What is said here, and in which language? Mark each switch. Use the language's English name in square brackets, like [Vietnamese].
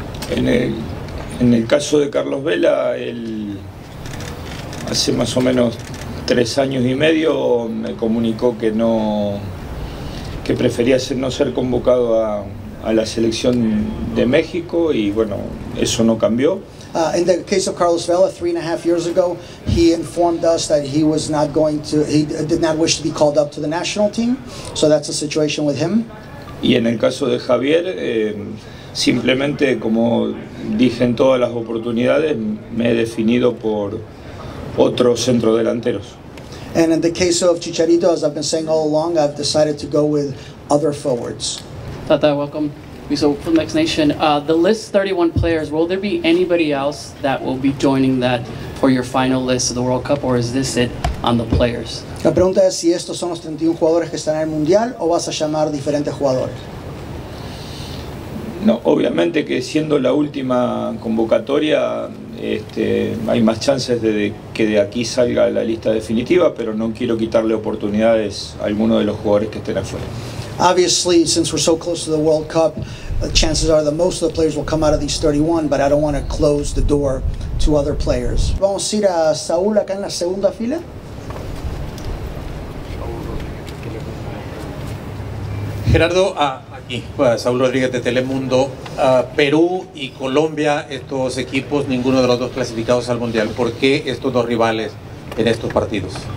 [Spanish] En el caso de Carlos Vela, él hace más o menos 3 años y medio me comunicó que no, que prefería no ser convocado a la selección de México, y bueno, eso no cambió. [English] In the case of Carlos Vela, 3.5 years ago, he informed us that he was not going to, he did not wish to be called up to the national team. So that's the situation with him. [Spanish] Y en el caso de Javier, simplemente, como dije en todas las oportunidades, me he definido por otros centrodelanteros. [English] And in the case of Chicharito, as I've been saying all along, I've decided to go with other forwards. Tata, welcome. So from Next Nation, the list 31 players, will there be anybody else that will be joining that for your final list of the World Cup, or is this it on the players? [Spanish] La pregunta es si estos son los 31 jugadores que están en el Mundial o vas a llamar diferentes jugadores. No, obviamente que siendo la última convocatoria, hay más chances de que de aquí salga la lista definitiva, pero no quiero quitarle oportunidades a alguno de los jugadores que estén afuera. [English] Obviously, since we're so close to the World Cup, chances are that most of the players will come out of these 31, but I don't want to close the door to other players. [Spanish] Vamos a ir a Saúl acá en la segunda fila. Gerardo, aquí, Saúl Rodríguez de Telemundo. Perú y Colombia, estos equipos, ninguno de los dos clasificados al Mundial. ¿Por qué estos dos rivales en estos partidos?